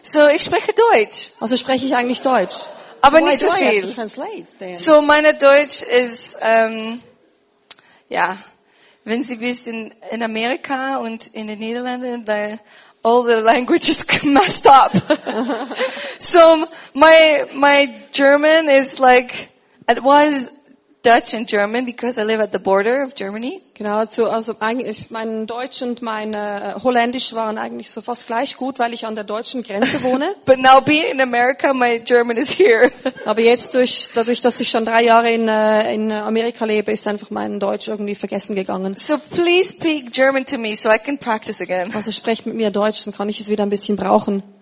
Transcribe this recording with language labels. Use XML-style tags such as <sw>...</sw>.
<de>So ich spreche Deutsch. Also spreche ich eigentlich Deutsch. Aber nicht so viel. So meine Deutsch ist, ja, wenn Sie wissen, in Amerika und in den Niederlanden, da</de> <en>all the languages messed up. So my German is like, it was Dutch and German because I live at the border of Germany.</en> <de>Genau, also eigentlich mein Deutsch und mein Holländisch waren eigentlich so fast gleich gut, weil ich an der deutschen Grenze wohne.</de> <en>But now being in America, my German is here.</en> <de>Aber jetzt dadurch, dass ich schon 3 Jahre in Amerika lebe, ist einfach mein Deutsch irgendwie vergessen gegangen.</de> <en>So please speak German to me, so I can practice again.</en> <de>Also sprecht mit mir Deutsch, dann kann ich es wieder ein bisschen brauchen.</de>